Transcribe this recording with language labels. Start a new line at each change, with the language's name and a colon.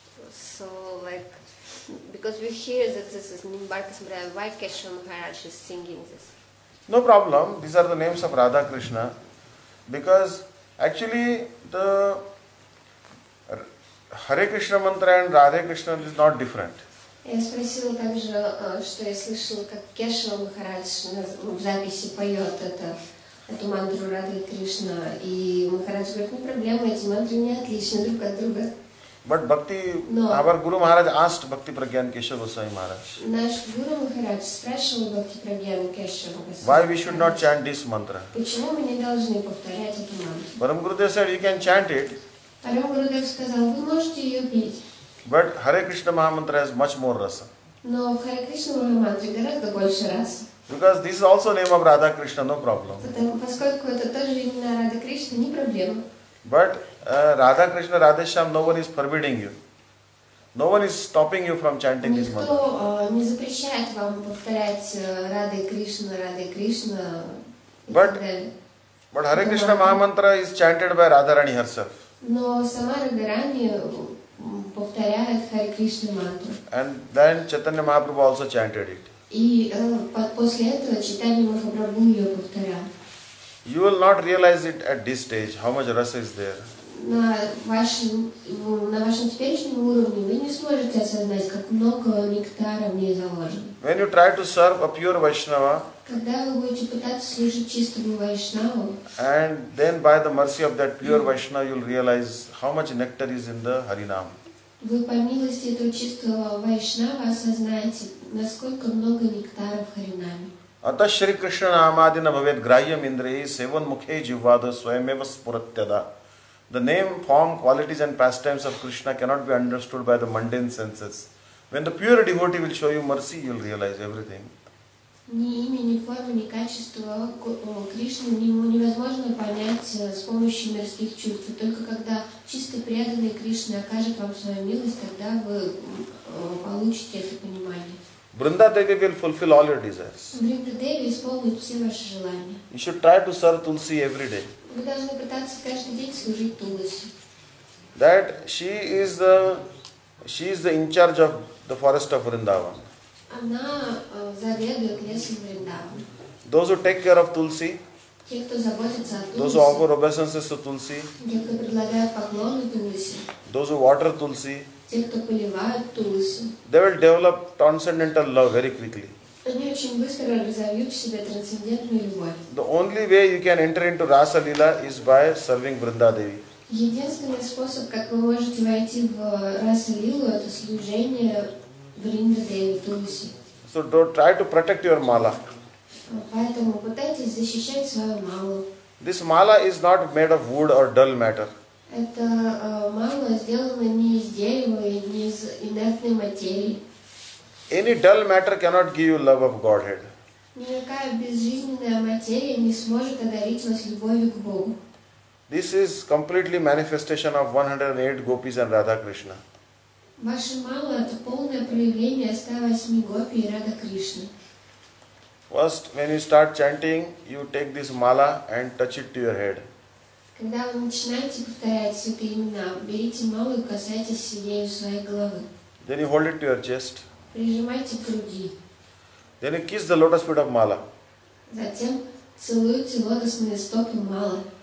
English: So like, because we hear that this is Nimbarka Samraya, why Keshava Maharaj is singing this? No problem. These are the names of Radha Krishna. Because actually the Hare Krishna mantra and Radhe Krishna is not different.
Russian: Я спросила также, что я слышала, как Кешава Махарадж в записи поет эту мантру Радхи Кришна. И Махарадж говорит, не проблема, эти мантры не отличны друг от друга.
English: But Bhakti,
Russian: Но
English: our Guru Maharaj asked Bhakti Pragyan Keshava Goswami Maharaj.
Russian: Наш Гуру Махарадж спрашивал Бхакти Прагьян Кешава Госвами.
English: Why we should not chant this mantra?
Russian: Почему мы не должны повторять эту мантру?
English: Param Gurudev said, you can chant it.
Russian: Param Gurudev сказал, вы можете ее петь.
English: But Hare Krishna Mahamantra has much more rasa.
Russian: No, Hare Krishna Mahamantra гораздо больше раса.
English: Because this is also name of Radha Krishna, no problem.
Russian: Поскольку это тоже имя Радха Кришна, не проблема.
English: But Radha Krishna, Radha Shyam, no one is forbidding you. No one is stopping you from chanting this mantra.
Russian: Никто не запрещает вам повторять Радха Кришна и так далее.
English: But Hare Krishna Mahamantra is chanted by Radharani herself.
Russian: Но сама Радхарани повторяет Харе Кришна мантру.
English: And then Chaitanya Mahaprabhu also chanted it.
Russian: И после этого Чайтанья Махапрабху ее повторял.
English: You will not realize it at this stage, how much rasa is there.
Russian: На вашем теперешнем уровне вы не сможете осознать, как много нектара в ней заложено.
English: When you try to serve a pure Vaishnava,
Russian: когда вы будете пытаться служить чистому Вайшнаву,
English: and then by the mercy of that pure Vaishnava, you'll realize how much nectar is in the Harinam.
Russian: Вы по милости этого чистого Вайшнава осознаете, насколько много нектара в Харинаме.
Sanskrit: Ата Шри Кришна Намадина Бхавет Грайям Индрей Севан Мухе Живвада Своемева Спуратьяда.
English: The name, form, qualities and pastimes of Krishna cannot be understood by the mundane senses. When the pure devotee will show you mercy, you will realize everything.
Russian: Ни имя, ни форма, ни качество Кришны невозможно понять с помощью мирских чувств. Только когда чисто преданный Кришна окажет вам свою милость, тогда вы получите это понимание.
English: Brinda Devi will fulfill all your desires.
Russian: Brinda Devi исполнит все ваши желания.
English: You should try to serve Tulsi every day.
Russian: Вы должны пытаться каждый день служить Тулси.
English: That she is the in charge of the forest of Vrindavan.
Russian: Она заведует лесом Вриндаван.
English: Those who take care of Tulsi.
Russian: Те, кто заботится о Тулси.
English: Those who offer obeisances to Tulsi.
Russian: Те, кто предлагает поклоны Тулси.
English: Those who water Tulsi.
Russian: Те, кто поливают Тулси.
English: They will develop transcendental love very quickly.
Russian: Они очень быстро разовьют в себе трансцендентную любовь.
English: The only way you can enter into Rasa Lila is by serving Vrinda Devi.
Russian: Единственный способ, как вы можете войти в Rasa Lila, это служение Vrinda Devi Tulsi.
English: So don't try to protect your mala.
Russian: Поэтому пытайтесь защищать свою малу.
English: This mala is not made of wood or dull matter.
Russian: Это мала сделана не из дерева и не из инертной материи.
English: Any dull matter cannot give you love of Godhead.
Russian: Никакая безжизненная материя не сможет одарить вас любовью к Богу.
English: This is completely manifestation of 108 gopis and Radha Krishna.
Russian: Ваша мала это полное проявление 108 гопи и Радха Кришны.
English: First, when you start chanting, you take this mala and touch it to your head.
Russian: Когда вы начинаете повторять святые имена, берите малу и касайтесь ею своей головы.
English: Then you hold it to your chest.
Russian: Прижимайте к груди.
English: Then you kiss the lotus feet of mala.
Russian: Затем целуйте лотосные стопы малы.